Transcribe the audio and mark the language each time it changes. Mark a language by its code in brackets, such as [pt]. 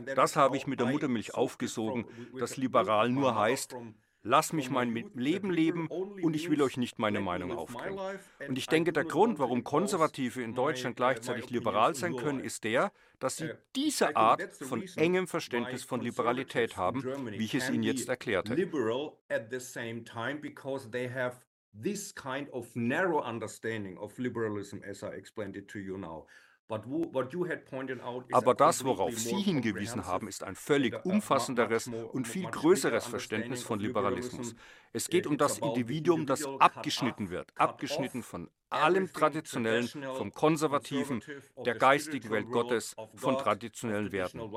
[de] Das habe ich mit der Muttermilch aufgesogen, dass liberal nur heißt, lass mich mein Leben leben und ich will euch nicht meine Meinung aufdrängen. Und ich denke, der Grund, warum Konservative in Deutschland gleichzeitig liberal sein können, ist der, dass sie diese Art von engem Verständnis von Liberalität haben, wie ich es Ihnen jetzt erklärt habe. [en] This kind of narrow understanding of liberalism, as I explained it to you now. But what you had pointed out is [de] aber das, worauf Sie hingewiesen haben, ist ein völlig umfassenderes und viel größeres Verständnis von Liberalismus. Es geht um das Individuum, das abgeschnitten wird, abgeschnitten von allem Traditionellen, vom Konservativen, der geistigen Welt Gottes, von traditionellen Werten.